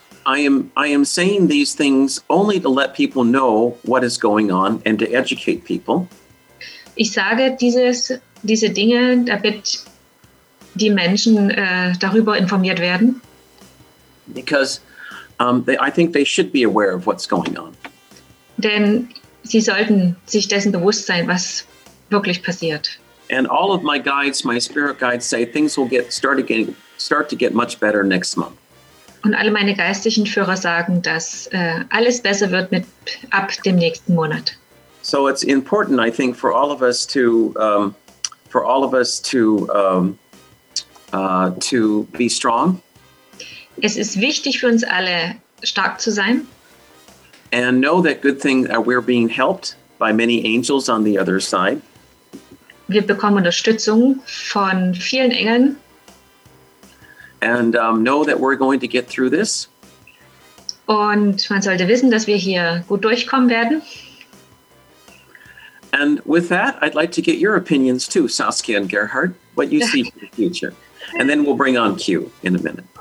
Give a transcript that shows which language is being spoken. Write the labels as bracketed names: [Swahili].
[English] I am saying these things only to let people know what is going on and to educate people. [German] Ich sage diese Dinge, damit die Menschen darüber informiert werden. [English] Because I think they should be aware of what's going on. [German] Denn sie sollten sich dessen bewusst sein, was wirklich passiert. [English] And all of my guides, my spirit guides say things will start to get much better next month. [German] Und alle meine geistigen Führer sagen, dass alles besser wird ab dem nächsten Monat. [English] So it's important, I think, for all of us to be strong. [German] Es ist wichtig für uns alle, stark zu sein. [English] And know that good things are we're being helped by many angels on the other side. [German] Wir bekommen Unterstützung von vielen Engeln. [English] And know that we're going to get through this. [German] Und man sollte wissen, dass wir hier gut durchkommen werden. [English] And with that, I'd like to get your opinions too, Saskia and Gerhard, what you see for the future. And then we'll bring on Q in a minute.